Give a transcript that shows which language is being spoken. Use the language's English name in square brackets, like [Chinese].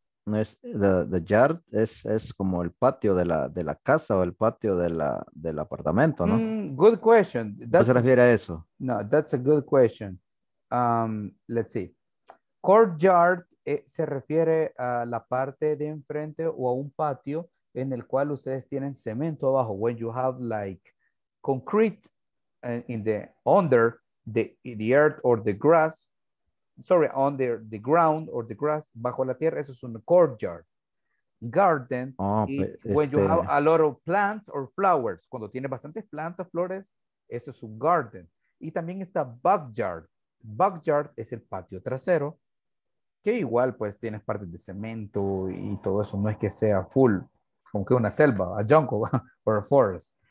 [Spanish] Es the yard es como el patio de la casa o el patio del apartamento, ¿no? [English] Good question. [Spanish] ¿Qué se refiere a eso? [English] No, that's a good question. Let's see. [Spanish] Courtyard se refiere a la parte de enfrente o a un patio en el cual ustedes tienen cemento abajo. [English] When you have like concrete in the under the earth or the grass. Sorry, under the ground or the grass, [Spanish] bajo la tierra, eso es un courtyard. [English] Garden is when you have a lot of plants or flowers. [Spanish] Cuando tiene bastantes plantas, flores, eso es un garden. Y también está backyard. Backyard es el patio trasero, que igual pues tienes partes de cemento y todo eso. No es que sea full, como que una selva, [English] a jungle or a forest.